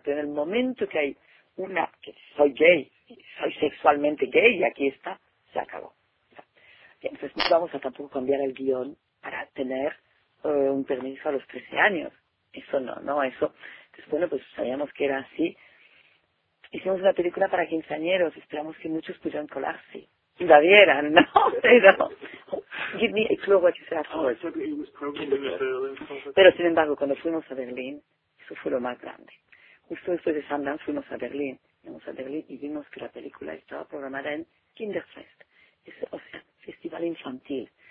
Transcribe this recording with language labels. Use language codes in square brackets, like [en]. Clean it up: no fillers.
[es] Pero en el momento que hay una, que soy gay, soy sexualmente gay y aquí está, se acabó. Bien, entonces no vamos a tampoco cambiar el guión para tener un permiso a los 13 años. Eso no, ¿no? Eso, entonces, bueno, pues sabíamos que era así. Hicimos una película para quinceañeros, esperamos que muchos pudieran colarse. Y la vieran, ¿no? Pero, [en] give me a clue what you said. Oh, I said that it was programmed in Berlin. [es] Pero, sin embargo, cuando fuimos a Berlín, eso fue lo más grande. Justo después de Sundance fuimos a Berlín. Fuimos a Berlín y vimos que la película estaba programada en Kinderfest, o sea, festival infantil.